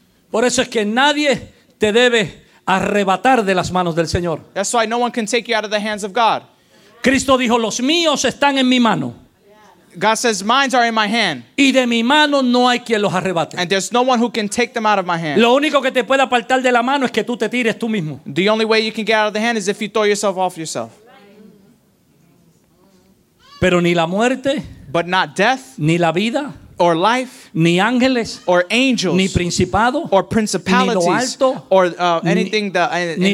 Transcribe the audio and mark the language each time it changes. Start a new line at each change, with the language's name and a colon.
Spanish: Por eso es que nadie te debe arrebatar de las manos del Señor.
English: That's why no one can take you out of the hands of God.
Spanish: Cristo dijo, los míos están en mi mano.
English: God says, mine are in my hand.
Spanish: Y de mi mano no hay quien los arrebate.
English: And there's no one who can take them out of my hand.
Spanish: Lo único que te puede apartar de la mano es que tú te tires tú mismo.
English: The only way you can get out of the hand is if you throw yourself off yourself.
Spanish: Pero ni la muerte,
English: but not death,
Spanish: ni la vida,
English: or life,
Spanish: ni ángeles,
English: or angels,
Spanish: ni principado,
English: or principalities,
Spanish: ni lo alto,
English: or anything that in
Spanish: ni